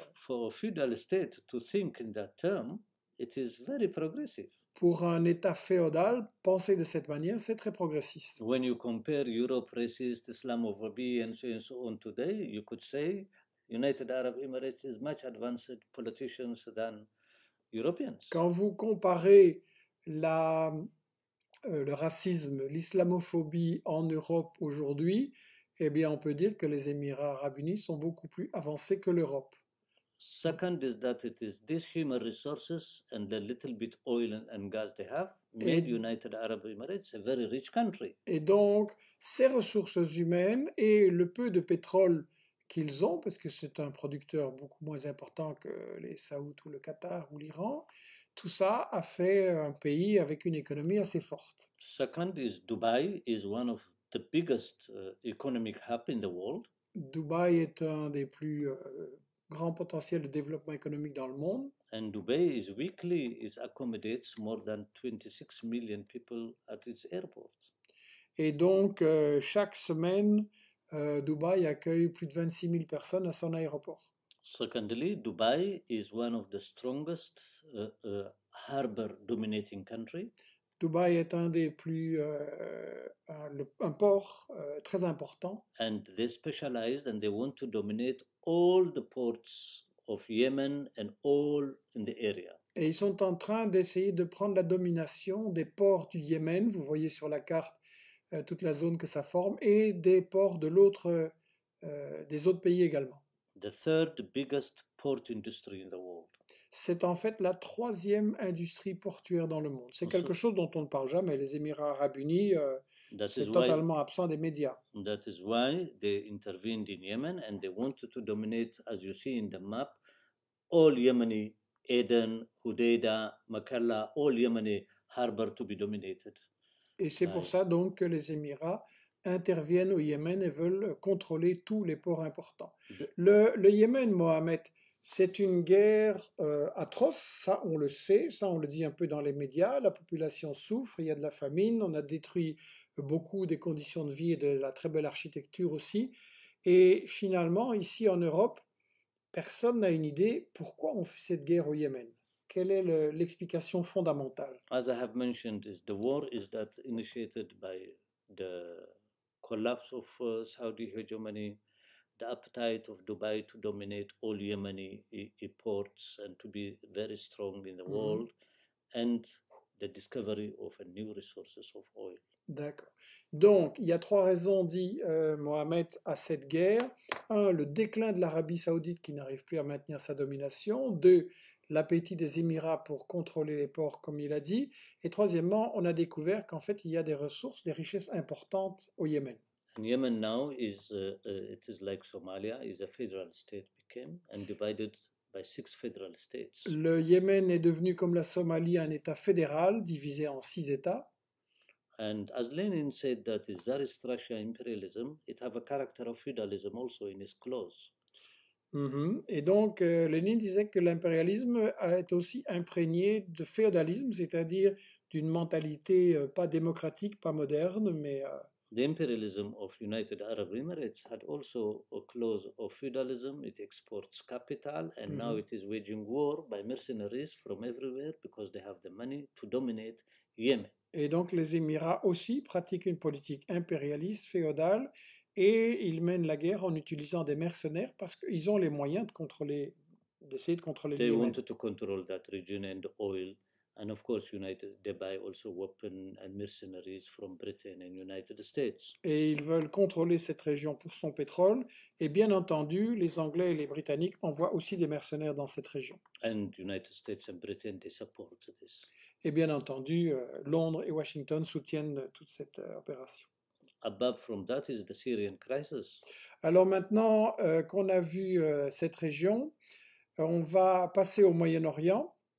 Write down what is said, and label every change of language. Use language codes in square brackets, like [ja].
[en] For a feudal state to think in that term, it is very progressive. [fr] Pour un État féodal, penser de cette manière, c'est très progressiste. [en] When you compare Europe racist, Islamophobia, and so on today, you could say United Arab Emirates is much advanced politicians than Europeans. [fr] Quand vous comparez le racisme, l'islamophobie en Europe aujourd'hui, eh bien, on peut dire que les Émirats arabes unis sont beaucoup plus avancés que l'Europe. [en] Second is that it is these human resources and the little bit oil and gas they have made [fr] Et [en] United Arab Emirates a very rich country. [fr] donc, ces ressources humaines et le peu de pétrole qu'ils ont, parce que c'est un producteur beaucoup moins important que les Saouds ou le Qatar ou l'Iran, tout ça a fait un pays avec une économie assez forte. [en] Second is Dubai is one of the biggest economic hub in the world. [fr] Dubaï est un des plus grands potentiels de développement économique dans le monde. [en] And Dubai is weekly is accommodates more than 26 million people at its airports. [fr] Et donc, chaque semaine, Dubaï accueille plus de 26 000 personnes à son aéroport. [en] Secondly, Dubai is one of the strongest harbor dominating country. [fr] Dubaï est un des plus un port très important. [en] And they specialize and they want to dominate all the ports of Yemen and all in the area. [fr] Et ils sont en train d'essayer de prendre la domination des ports du Yémen. Vous voyez sur la carte toute la zone que ça forme et des ports de l'autre des autres pays également. [en] The third biggest port industry in the world. [fr] C'est en fait la troisième industrie portuaire dans le monde. C'est quelque [en] So, [fr] chose dont on ne parle jamais. Les Émirats arabes unis, c'est totalement absent des médias. [en] That is why they intervened in Yemen and they wanted to dominate, as you see in the map, all Yemeni, Aden, Hodeidah, Makalla, all Yemeni harbor to be dominated [fr] Et c'est pour [en] by. [fr] ça donc que les Émirats interviennent au Yémen et veulent contrôler tous les ports importants. Le Yémen, Mohamed, c'est une guerre atroce, ça on le sait, ça on le dit un peu dans les médias. La population souffre, il y a de la famine, on a détruit beaucoup des conditions de vie et de la très belle architecture aussi. Et finalement, ici en Europe, personne n'a une idée pourquoi on fait cette guerre au Yémen. Quelle est l'explication fondamentale? [en] As I have mentioned, is the war is that initiated by the collapse of Saudi hegemony, the appetite of Dubai to dominate all Yemeni ports and to be very strong in the world, and the discovery of new resources of oil. [fr] D'accord. Donc, il y a trois raisons, dit Mohamed, à cette guerre. Un, le déclin de l'Arabie saoudite qui n'arrive plus à maintenir sa domination. Deux, l'appétit des Émirats pour contrôler les ports, comme il a dit. Et troisièmement, on a découvert qu'en fait, il y a des ressources, des richesses importantes au Yémen. [en] And Yemen now is it is like Somalia, is a federal state became and divided by six federal states. [fr] Le Yémen est devenu comme la Somalie, un État fédéral divisé en six États. [en] And as Lenin said, that is Tsarist Russia imperialism, it have a character of feudalism also in its clause. [fr] Et donc, Lénine disait que l'impérialisme est aussi imprégné de féodalisme, c'est-à-dire d'une mentalité pas démocratique, pas moderne, mais... [en] The imperialism of United Arab Emirates had also a clause of feudalism. It exports capital, and now it is waging war by mercenaries from everywhere because they have the money to dominate Yemen. [fr] Et donc, les Émirats aussi pratiquent une politique impérialiste, féodale, et ils mènent la guerre en utilisant des mercenaires parce qu'ils ont les moyens de contrôler, d'essayer de contrôler [en] They [fr] le Yémen. [en] Wanted to control that region and oil. And of course, United, they buy also weapons and mercenaries from Britain and United States. [fr] Et ils veulent contrôler cette région pour son pétrole. Et bien entendu, les Anglais et les Britanniques envoient aussi des mercenaires dans cette région. [en] And United States and Britain, they support this. [fr] Et bien entendu, Londres et Washington soutiennent toute cette opération. [en] Above from that is the Syrian crisis. [fr] Alors maintenant qu'on a vu cette région, on va passer au Moyen-Orient.